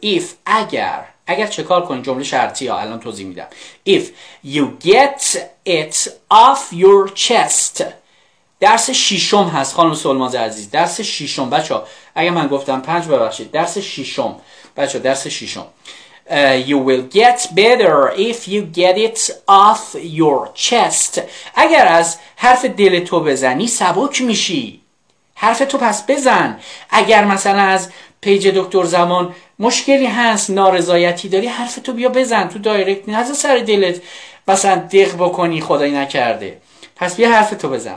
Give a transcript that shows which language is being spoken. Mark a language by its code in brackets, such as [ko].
[fa] if اگر چه کار کنی، جمله شرطی ها الان توضیح میدم. [en] if you get it off your chest. [fa] درس ششم هست خانم سلماز عزیز، درس ششم. بچه ها اگر من گفتم پنج ببخشید، درس ششم بچه ها، درس ششم. [en] You will get better if you get it off your chest. [fa] اگر از حرف دل تو بزنی سبک میشی، حرف تو پس بزن. اگر مثلا از پیج دکتر زمان مشکلی هست، نارضایتی داری، حرف تو بیا بزن تو دایرکت، نه از سر دلت مثلا دق بکنی خدای نکرده، پس بیا حرف تو بزن.